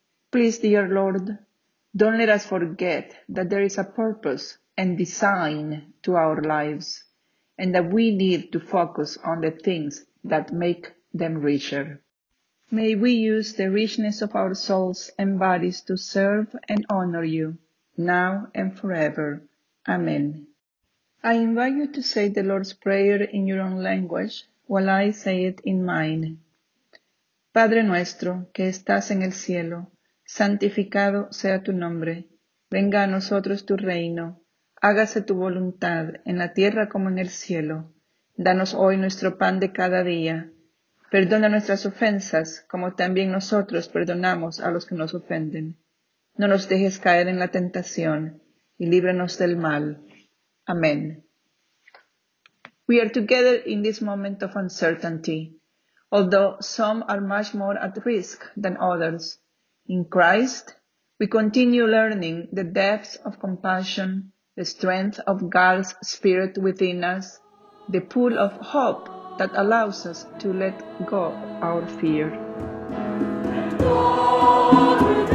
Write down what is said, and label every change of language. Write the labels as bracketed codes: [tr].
[en] Please, dear Lord, don't let us forget that there is a purpose and design to our lives, and that we need to focus on the things that make them richer. May we use the richness of our souls and bodies to serve and honor you, now and forever. Amen. I invite you to say the Lord's Prayer in your own language, while I say it in mine. [es] Padre nuestro, que estás en el cielo, santificado sea tu nombre. Venga a nosotros tu reino. Hágase tu voluntad, en la tierra como en el cielo. Danos hoy nuestro pan de cada día. Perdona nuestras ofensas, como también nosotros perdonamos a los que nos ofenden. No nos dejes caer en la tentación, y líbranos del mal. Amén. [en] We are together in this moment of uncertainty, although some are much more at risk than others. In Christ, we continue learning the depths of compassion, the strength of God's Spirit within us, the pool of hope that allows us to let go our fear.